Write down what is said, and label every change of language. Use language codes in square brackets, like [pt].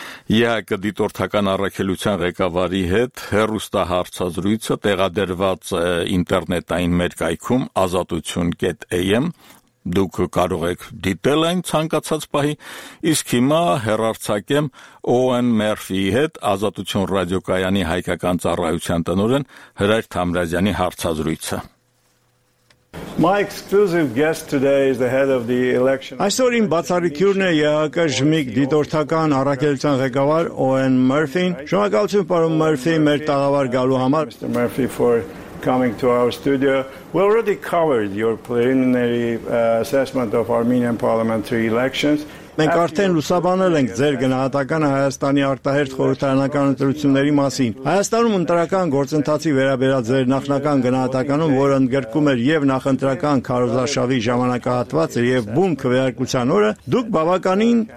[hy] ԵՀԿ դիտորդական առաքելության ղեկավարի հետ հեռուստահարցազրույցը տեղադրված է ինտերնետային մեր կայքում ազատություն.am, դուք կարող եք դիտել այն ցանկացած պահի, իսկ հիմա հեռարձակեմ Օուեն Մերֆիի հետ Ազատություն ռադիոկայանի հայկական ծառայության տնօրեն Հրայր Թամբրազյանի հարցազրույցը։ [en] My exclusive guest today is the head of the election. [hy] Այսօր իմ բացառիկն է ԵՀԿ ժմիկ դիտորդական առաքելության ղեկավար Օուեն Մերֆին։ Շնորհակալություն, պարոն Մերֆի, մեր տաղավար գալու համար։ [en] Mr. Murphy, for coming to our studio. We already covered your preliminary assessment of Armenian parliamentary elections. [hy] Մենք արդեն լուսաբանել ենք ձեր գնահատականը Հայաստանի արտահերթ խորհրդարանական ընտրությունների մասին։ Հայաստանում ընտրական գործընթացի վերաբերած ձեր նախնական գնահատականում, որը ընդգրկում էր և նախընտրական քարոզարշավի ժամանակահատվածը և բուն քվեարկության օրը, դուք բավականին